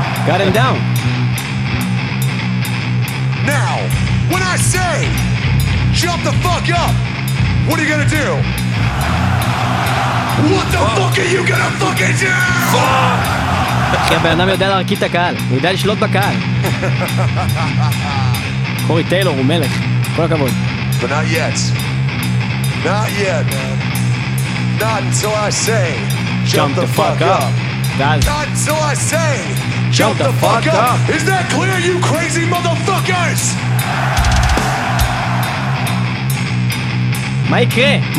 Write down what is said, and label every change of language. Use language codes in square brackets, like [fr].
[en] Got him down. Now, when I say, jump the fuck up, what are you gonna do? What the fuck are you gonna fucking do? Fuck! [he] הבן אדם יודע להרקיד את הקהל, הוא יודע לשלוט בקהל. קורי טיילור הוא מלך, כל הכבוד. [en] But not yet. Not yet, man. Not until I say, jump the fuck up. Not so I say, jump the fuck up. Is that clear, you crazy motherfuckers? [he] מה יקרה?